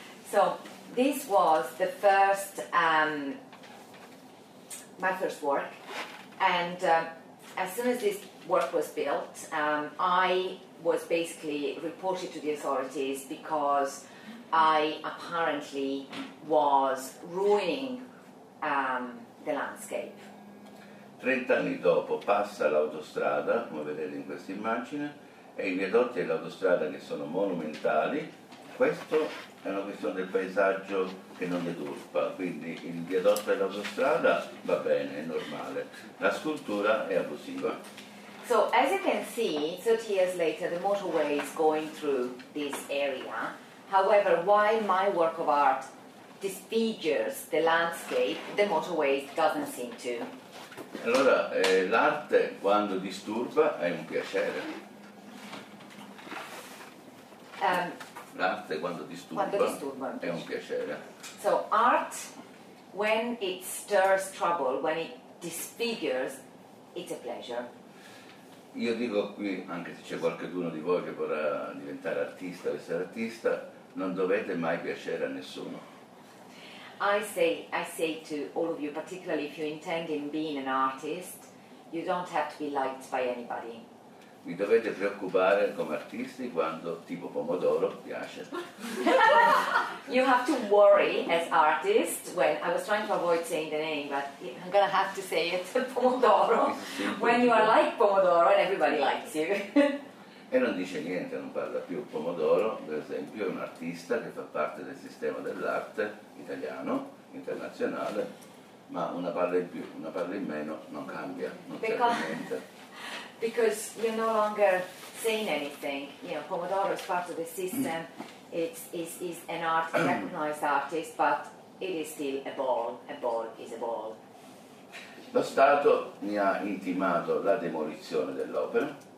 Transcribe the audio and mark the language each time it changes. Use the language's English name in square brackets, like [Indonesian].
[English] So this was the first my first work, and as soon as this work was built, I was basically reported to the authorities because I apparently was ruining the landscape. [Italian] 30 anni dopo passa l'autostrada, come vedete in questa immagine, e i viadotti dell'autostrada che sono monumentali, questo è una questione del paesaggio che non deturpa, quindi il viadotto dell'autostrada va bene, è normale, la scultura è abusiva. [English] So, as you can see, 30 years later, the motorway is going through this area. However, while my work of art disfigures the landscape, the motorway doesn't seem to. [Italian] Allora, l'arte, quando disturba, è un piacere. L'arte, quando disturba, è un piacere. [English] So, art, when it stirs trouble, when it disfigures, it's a pleasure. [Italian] Io dico qui, anche se c'è qualcuno di voi che vorrà diventare artista o essere artista, non dovete mai piacere a nessuno. [English] I say to all of you, particularly if you intend in being an artist, you don't have to be liked by anybody. [Italian] Vi dovete preoccupare come artisti quando tipo pomodoro piace. [English] You have to worry as artist when, I was trying to avoid saying the name, but I'm gonna have to say it, pomodoro, when you are like pomodoro and everybody likes you. [Italian] E non dice niente, non parla più. Pomodoro, per esempio, è un artista che fa parte del sistema dell'arte italiano, internazionale, ma una palla in più, una palla in meno, non cambia, non c'è niente. [English] Because you're no longer saying anything. You know, Pomodoro is part of the system. It's an art, a recognized artist, but it is still a ball. A ball is a ball. [Italian] Lo Stato mi ha intimato la demolizione dell'opera.